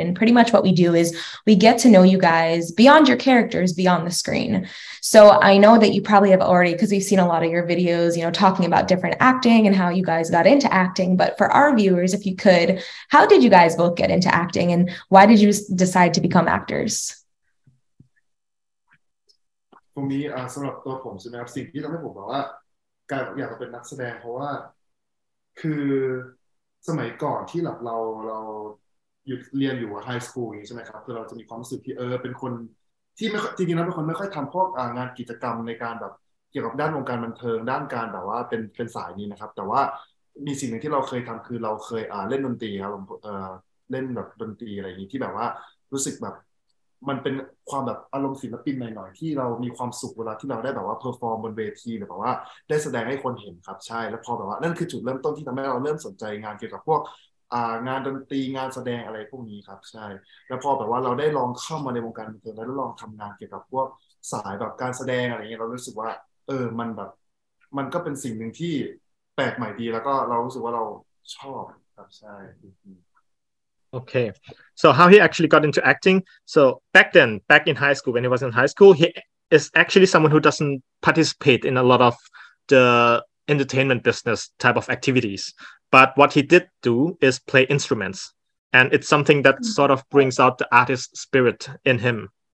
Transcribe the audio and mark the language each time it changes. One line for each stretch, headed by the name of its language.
English: And pretty much what we do is we get to know you guys beyond your characters, beyond the screen. So I know that you probably have already, because we've seen a lot of your videos, you know, talking about different acting and how you guys got into acting. But for our viewers, if you could, how did you guys both get into acting and why did you decide to become actors? For me,
Thai: สำหรับตัวผมใช่ไหมครับสิ่งที่ทำให้ผมบอกว่าการอยากเป็นนักแสดงเพราะว่าคือสมัยก่อนที่แบบเราอยู่เรียนอยู่ไฮสคูลอย่างนี้ใช่ไหมครับคือเราจะมีความรู้สึกที่เป็นคนที่ไม่จริงๆแล้วเป็นคนไม่ค่อยทำพวกงานกิจกรรมในการแบบเกี่ยวกับด้านวงการบันเทิงด้านการแบบว่าเป็นสายนี้นะครับแต่ว่ามีสิ่งหนึ่งที่เราเคยทำคือเราเคยเล่นดนตรีครับ เล่นแบบดนตรีอะไรอย่างนี้ที่แบบว่ารู้สึกแบบมันเป็นความแบบอารมณ์ศิลปินหน่อยๆที่เรามีความสุขเวลาที่เราได้แบบว่าเพอร์ฟอร์มบนเวทีหรือแบบว่าได้แสดงให้คนเห็นครับใช่แล้วพอแบบว่านั่นคือจุดเริ่มต้นที่ทำให้เราเริ่มสนใจงานเกี่ยวกับพวกงานดนตรีงานแสดงอะไรพวกนี้ครับใช่แล้วพอแบบว่าเราได้ลองเข้ามาในวงการบันเทิงแล้วลองทำงานเกี่ยวกับพวกสายแบบการแสดงอะไรเงี้ยเรารู้สึกว่ามันก็เป็นสิ่งนึงที่แปลกใหม่ดีแล้วก็เรารู้สึกว่าเราชอบครับใช่
English: Okay, so how he actually got into acting. So back then, back in high school, when he was in high school, he is actually someone who doesn't participate in a lot of the entertainment business type of activities. But what he did do is play instruments. And it's something that sort of brings out the artist spirit in him.